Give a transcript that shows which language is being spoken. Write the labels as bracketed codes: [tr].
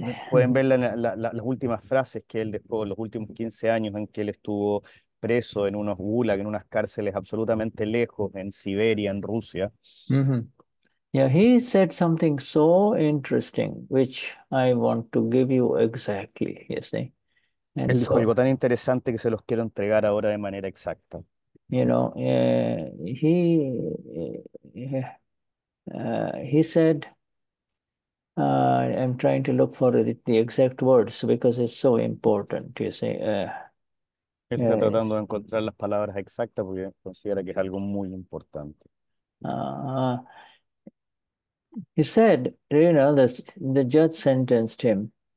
[es] Pueden ver las últimas frases que él después, los últimos 15 años en que él estuvo preso en unos gulags, en unas cárceles absolutamente lejos, en Siberia, en Rusia. [en] Yeah, he said something so interesting, which I want to give you exactly, you see. And [es] él dijo algo tan interesante que se los quiero entregar ahora de manera exacta. [en] You know, he said, I'm trying to look for the exact words because it's so important, you see. [es] Está tratando de encontrar las palabras exactas porque considera que es algo muy importante. [en] He said, you know, the judge sentenced him.